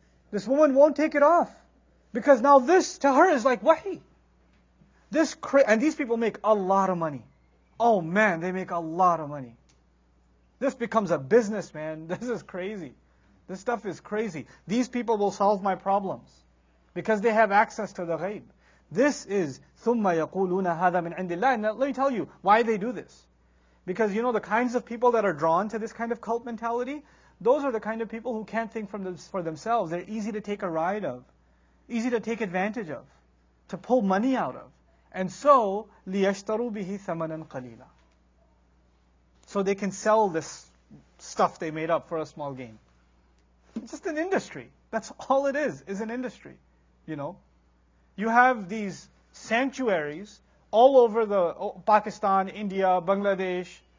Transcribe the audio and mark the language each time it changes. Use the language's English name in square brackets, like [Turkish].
[English] This woman won't take it off. Because now this to her is like wahi. And these people make a lot of money. Oh man, they make a lot of money. This becomes a business, man. This is crazy. This stuff is crazy. These people will solve my problems because they have access to the ghaib. This is [Arabic] ثُمَّ يَقُولُونَ هَذَا مِنْ عِنْدِ اللَّهِ. [English] Now, let me tell you why they do this. Because you know the kinds of people that are drawn to this kind of cult mentality? Those are the kind of people who can't think for themselves. They're easy to take a ride of, easy to take advantage of, to pull money out of. And so, [Arabic] لِيَشْتَرُوا بِهِ ثَمَنًا قَلِيلًا. [English] So they can sell this stuff they made up for a small gain. It's just an industry. That's all it is an industry. You know? You have these sanctuaries all over the Pakistan, India, Bangladesh,